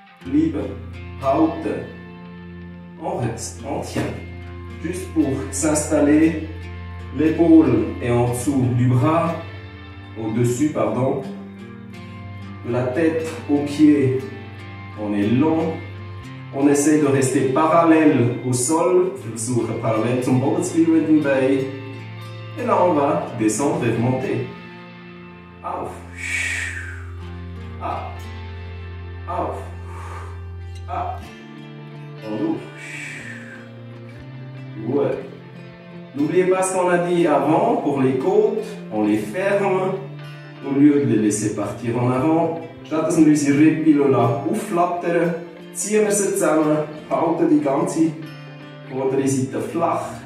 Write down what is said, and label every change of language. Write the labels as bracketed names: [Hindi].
[French] Libre, out, on reste, on tient. Juste pour s'installer, l'épaule est en dessous du bras, au-dessus, pardon. De la tête au pied, on est long. On essaie de rester parallèle au sol. [German] Versuche parallèle zum Boden zu bleiben im Bein. [French] Et là, on va descendre et remonter. [German] Auf. Ab. Auf. Ab. [French] On ouvre. Ouais. N'oubliez pas ce qu'on a dit avant pour les côtes. On les ferme. Au lieu de les laisser partir en avant. [German] Statt dass wir unsere Rippen là aufflattern. Ziehen wir sie zusammen, halten die ganze vordere Seite flach.